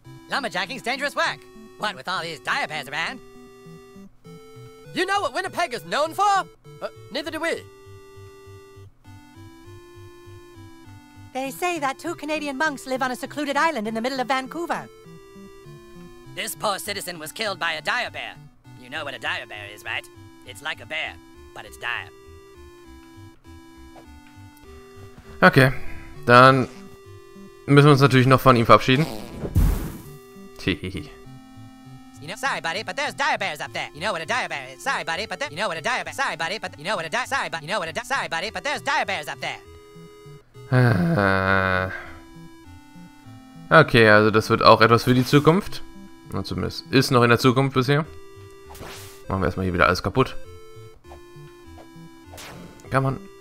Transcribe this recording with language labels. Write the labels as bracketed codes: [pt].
[en] Lumberjacking's dangerous work. What with all these diapers around? You know what Winnipeg is known for? Neither do we. They say that two Canadian monks live on a secluded island in the middle of Vancouver. This poor citizen was killed by a dire bear. You know what a dire bear is, right? It's like a bear, but it's dire. [de] Okay, dann müssen wir uns natürlich noch von ihm verabschieden. [en] You know, sorry, buddy, but there's dire bears up there. You know what a dire bear is. Sorry, buddy, but there, you know what a dire bear. Sorry, buddy, but you know what a dire. Sorry, but you know what a dire. Sorry, buddy, but there's dire bears up there. [de] Okay, also das wird auch etwas für die Zukunft. Na, zumindest ist noch in der Zukunft bisher. Machen wir erstmal hier wieder alles kaputt. Kann man.